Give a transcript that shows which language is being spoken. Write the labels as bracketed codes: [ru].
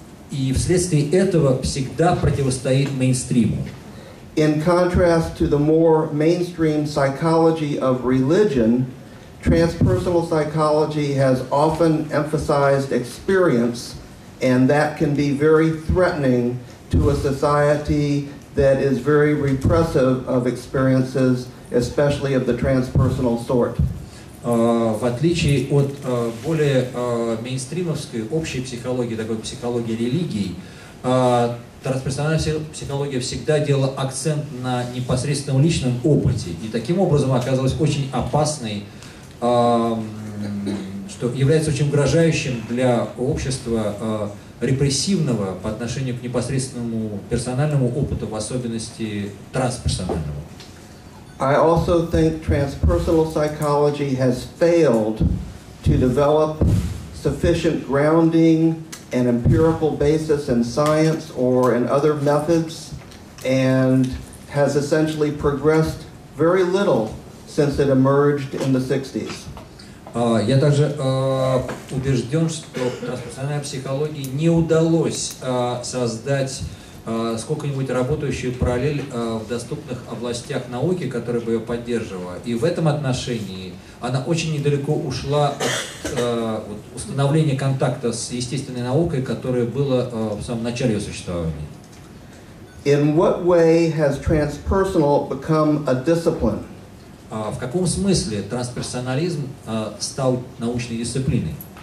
[ru] И вследствие этого всегда противостоит мейнстриму. [en] In contrast to the more mainstream psychology of religion, transpersonal psychology has often emphasized experience, and that can be very threatening to a society that is very repressive of experiences, especially of the transpersonal sort. [ru] В отличие от более мейнстримовской общей психологии, такой психологии религий, трансперсональная психология всегда делала акцент на непосредственном личном опыте и таким образом оказалась очень опасной, что является очень угрожающим для общества репрессивного по отношению к непосредственному персональному опыту, в особенности трансперсонального. [en] I also think transpersonal psychology has failed to develop sufficient grounding and empirical basis in science or in other methods, and has essentially progressed very little since it emerged in the 60s. [ru] Я также убежден, что трансперсональной психологии не удалось создать сколько-нибудь работающую параллель в доступных областях науки, которая бы ее поддерживала. И в этом отношении она очень недалеко ушла от вот, установления контакта с естественной наукой, которая была в самом начале ее существования. [en] In what way has transpersonal become a discipline? [ru] В каком смысле трансперсонализм стал научной дисциплиной?